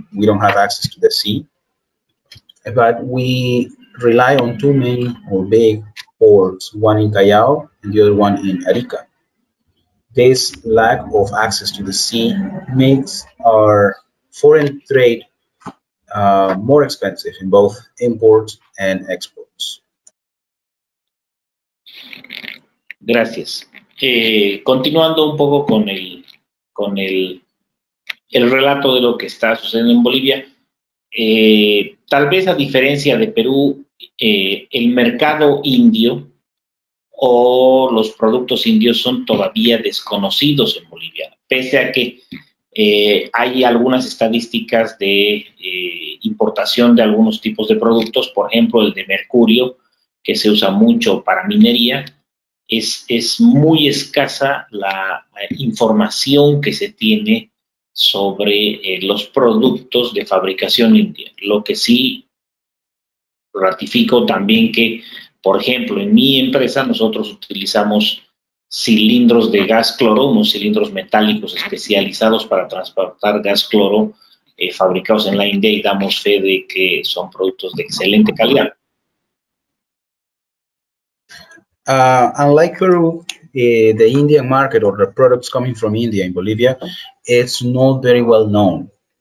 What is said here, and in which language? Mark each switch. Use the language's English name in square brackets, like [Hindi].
[English] We don't have access to the sea, but we rely on two main or big ports, one in Callao and the other one in Arica. This lack of access to the sea makes our foreign trade more expensive in both imports and exports. [Spanish] Gracias. Continuando un poco con el relato de lo que está sucediendo en Bolivia, tal vez a diferencia de Perú, el mercado indio o los productos indios son todavía desconocidos en Bolivia, pese a que hay algunas estadísticas de importación de algunos tipos de productos, por ejemplo, el de mercurio, que se usa mucho para minería. Es muy escasa la información que se tiene sobre los productos de fabricación india. Lo que sí ratifico también que, por ejemplo, en mi empresa nosotros utilizamos cilindros de gas cloro, unos cilindros metálicos especializados para transportar gas cloro fabricados en la India, y damos fe de que son productos de excelente calidad. [English] Unlike Peru, the Indian market or the products coming from India in Bolivia, it's not very well known.